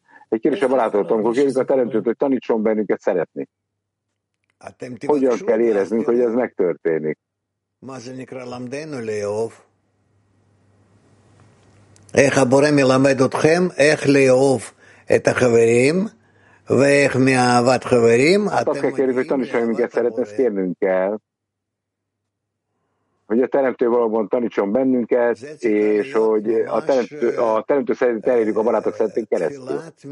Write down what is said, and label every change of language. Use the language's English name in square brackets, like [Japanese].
[Hungarian] Egy kérdés a barátoktól, amikor kérjük a teremtőt, hogy tanítson bennünket szeretni. Hogyan kell éreznünk, hogy ez megtörténik? Mazenikra lamdenu leov. [Hebrew] איך הבורא מלמד אתכם איך לאהוב את החברים ואיך מאהבת חברים אתם מבינים את הבורא. [Hungarian] Hogy a teremtő valóban tanítson bennünket, és hogy a teremtő szeretet elérjük a barátok szeretetén keresztül.